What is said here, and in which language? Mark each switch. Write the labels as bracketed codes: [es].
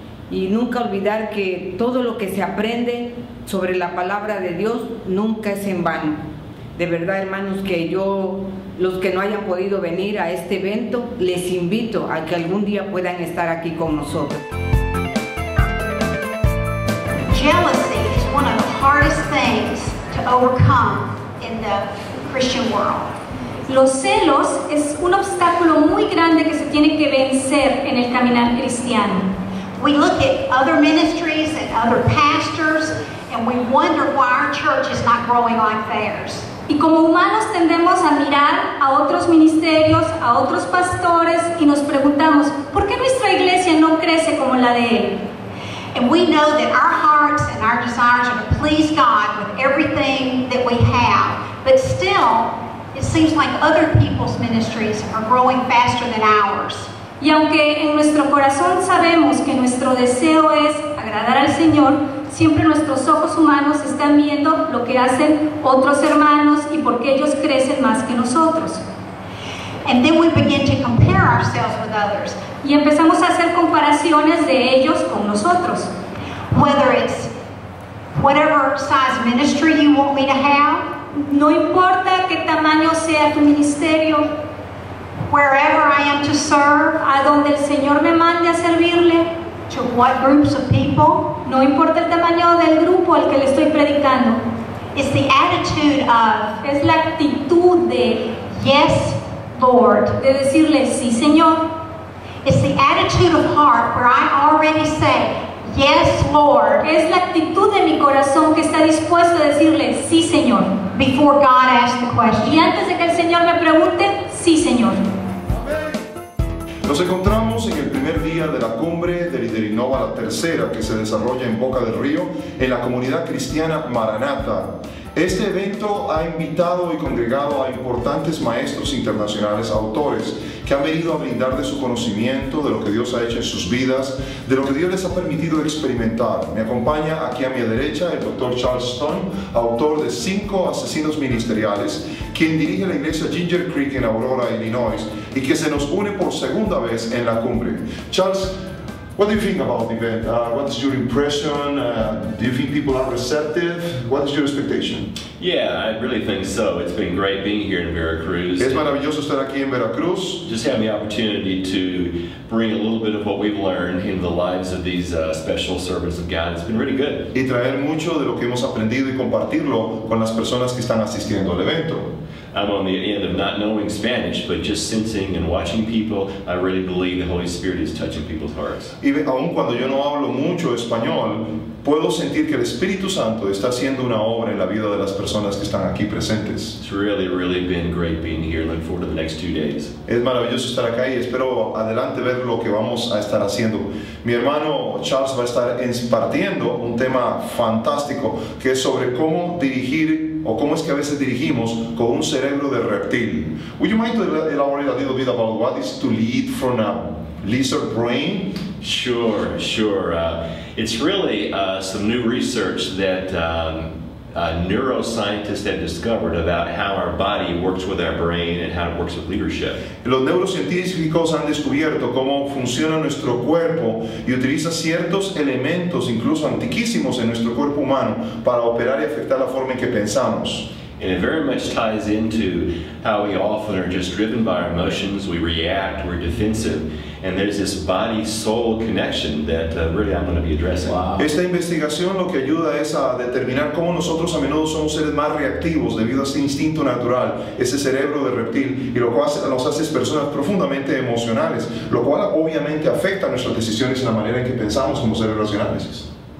[es] Y nunca olvidar que todo lo que se aprende sobre la palabra de Dios nunca es en vano. De verdad, hermanos, que yo, los que no hayan podido venir a este evento, les invito a que algún día puedan estar aquí con nosotros. [en] Jealousy is one of the hardest things to overcome in the Christian world. [es] Los celos es un obstáculo muy grande que se tiene que vencer en el caminar cristiano. [en] We look at other ministries and other pastors and we wonder why our church is not growing like theirs. [es] Y como humanos tendemos a mirar a otros ministerios, a otros pastores y nos preguntamos, ¿por qué nuestra iglesia no crece como la de él? [en] And we know that our hearts and our desires are to please God with everything that we have. But still, it seems like other people's ministries are growing faster than ours. [es] Y aunque en nuestro corazón sabemos que nuestro deseo es agradar al Señor, siempre nuestros ojos humanos están viendo lo que hacen otros hermanos y por qué ellos crecen más que nosotros. [en] and then we begin to compare ourselves with others. [es] Y empezamos a hacer comparaciones de ellos con nosotros. [en] Whether it's whatever size ministry you want me to have, [es] no importa qué tamaño sea tu ministerio, [en] wherever I am to serve, [es] a donde el Señor me mande a servirle, [en] to what groups of people, [es] no importa el tamaño del grupo al que le estoy predicando, [en] it's the attitude of, [es] es la actitud de, [en] yes, Lord, [es] de decirle sí, Señor. [en] It's the attitude of heart where I already say, yes, Lord, [es] es la actitud de mi corazón que está dispuesto a decirle sí, Señor, [en] before God asks the question. [es] Y antes de que el Señor me pregunte, sí, Señor. Nos encontramos en el primer día de la cumbre de Liderinova, la tercera, que se desarrolla en Boca del Río, en la comunidad cristiana Maranata. Este evento ha invitado y congregado a importantes maestros internacionales, autores, que han venido a brindar de su conocimiento, de lo que Dios ha hecho en sus vidas, de lo que Dios les ha permitido experimentar. Me acompaña aquí a mi derecha el Dr. Charles Stone, autor de 5 asesinos ministeriales, quien dirige la iglesia Ginger Creek en Aurora, Illinois, y que se nos une por segunda vez en la cumbre. [en] Charles, what do you think about the event? What's your impression? Do you think people are receptive? What is your expectation? Yeah, I really think so. It's been great being here in Veracruz. [es] Es maravilloso estar aquí en Veracruz. [en] Just having the opportunity to bring a little bit of what we've learned into the lives of these special servants of God. It's been really good. [es] Y traer mucho de lo que hemos aprendido y compartirlo con las personas que están asistiendo al evento. [en] I'm on the end of not knowing Spanish, but just sensing and watching people. I really believe the Holy Spirit is touching people's hearts. [es] Y aun cuando yo no hablo mucho español, puedo sentir que el Espíritu Santo está haciendo una obra en la vida de las personas que están aquí presentes. [en] It's really, really been great being here. Look forward to the next 2 days. [es] Es maravilloso estar acá y espero adelante ver lo que vamos a estar haciendo. Mi hermano Charles va a estar impartiendo un tema fantástico que es sobre cómo dirigir o cómo es que a veces dirigimos con un cerebro de reptil. [en] Would you mind to elaborate a little bit about what is to lead from a lizard brain? Sure, sure. It's really some new research that neuroscientists have discovered about how our body works with our brain and how it works with leadership. [es] Los neurocientíficos han descubierto cómo funciona nuestro cuerpo y utiliza ciertos elementos, incluso antiquísimos en nuestro cuerpo humano, para operar y afectar la forma en que pensamos. [en] And it very much ties into how we often are just driven by our emotions, we react, we're defensive, and there's this body-soul connection that really I'm going to be addressing. Wow. [es] Esta investigación lo que ayuda es a determinar cómo nosotros a menudo somos seres más reactivos debido a ese instinto natural, ese cerebro de reptil, y lo cual nos hace personas profundamente emocionales, lo cual obviamente afecta nuestras decisiones en la manera en que pensamos como seres racionales.